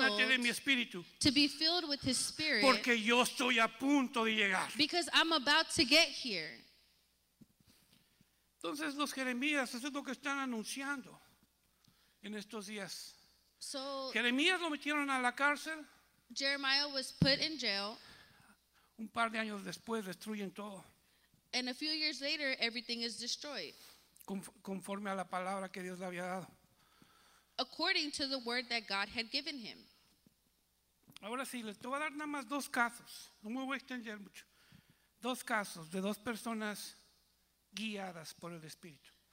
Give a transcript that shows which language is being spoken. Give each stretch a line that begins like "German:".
Spanish: Llénate de mi espíritu.
English: To be filled with his spirit.
Spanish: Porque yo estoy a punto de llegar.
English: Because I'm about to get here.
Spanish: Entonces los Jeremías, eso es lo que están anunciando en estos días.
English: So,
Spanish: Jeremías lo metieron a la cárcel.
English: Jeremiah was put in jail.
Spanish: Un par de años después destruyen todo.
English: And a few years later, everything is destroyed.
Spanish: Conforme a la palabra que Dios le había dado.
English: According to the word that God had given him.
Spanish: Ahora sí, les voy a dar nada más dos casos. No me voy a extender mucho. Dos casos de dos personas guiadas por el Espíritu.